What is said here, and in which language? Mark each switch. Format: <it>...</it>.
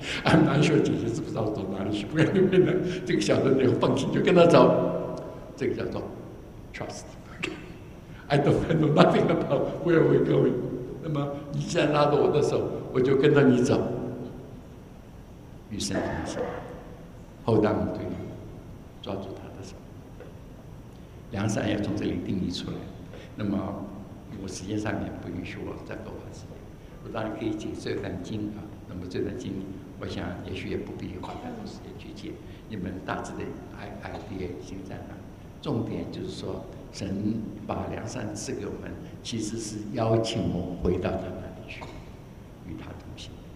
<en>I'm not sure</en> <zh>姐姐是不知道走哪里去，不然因为呢这个小孩没有放心就跟他走，这个叫做 trust。Okay.</zh> <en>I know nothing about where we're going，</en> <zh>那么你既然拉着我的手我就跟着你走，与神同行。</zh> <en>Hold on to you，</en> <zh>抓住他的手。良善要从这里定义出来。那么我时间上面不允许我再多花时间，我当然可以解这段经啊。那么这段经，我想也许也不必花太多时间去解，你们大致的 idea 已经在那。重点就是说，神把良善赐给我们，其实是邀请我回到他那里去，与他同行。</zh>